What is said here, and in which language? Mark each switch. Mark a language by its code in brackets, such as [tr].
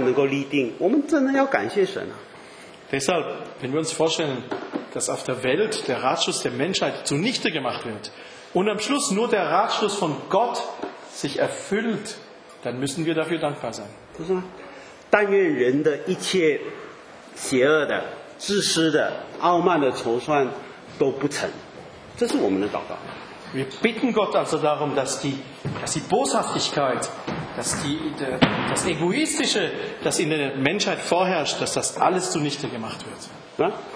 [zh] 所以在上帝那里啊，如果一切最后只有上帝的筹算能够立定，我们真的要感谢神啊。 [de] Deshalb, wenn wir uns vorstellen, dass auf der Welt der Ratschluss der Menschheit zunichte gemacht wird und am Schluss nur der Ratschluss von Gott sich erfüllt, dann müssen wir dafür dankbar sein. [zh] 但愿人的一切邪恶的、自私的、傲慢的筹算都不成，这是我们的祷告。 [de] Wir bitten Gott also darum, dass die Boshaftigkeit, das Egoistische, das in der Menschheit vorherrscht, dass das alles zunichte gemacht wird.